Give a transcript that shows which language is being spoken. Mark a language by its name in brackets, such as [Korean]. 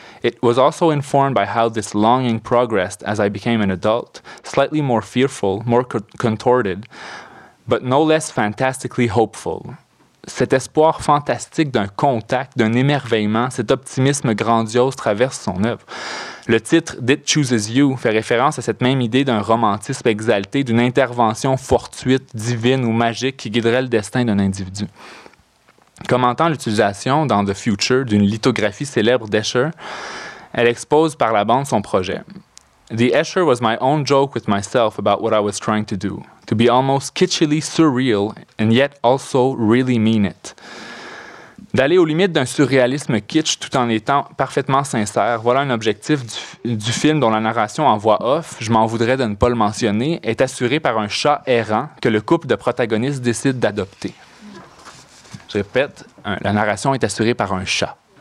[English] It was also informed by how this longing progressed as I became an adult, slightly more fearful, more contorted, but no less fantastically hopeful. [French] Cet espoir fantastique d'un contact, d'un émerveillement, cet optimisme grandiose traverse son œuvre. Le titre « It Chooses You » fait référence à cette même idée d'un romantisme exalté, d'une intervention fortuite, divine ou magique qui guiderait le destin d'un individu. Commentant l'utilisation dans The Future d'une lithographie célèbre d'Escher, elle expose par la bande son projet. [English] The Escher was my own joke with myself about what I was trying to do. To be almost kitschily surreal and yet also really mean it. [French] D'aller aux limites d'un surréalisme kitsch tout en étant parfaitement sincère, voilà un objectif du film dont la narration en voix off, je m'en voudrais de ne pas le mentionner, est assuré par un chat errant que le couple de protagonistes décide d'adopter. Je répète, la narration est assurée par un chat.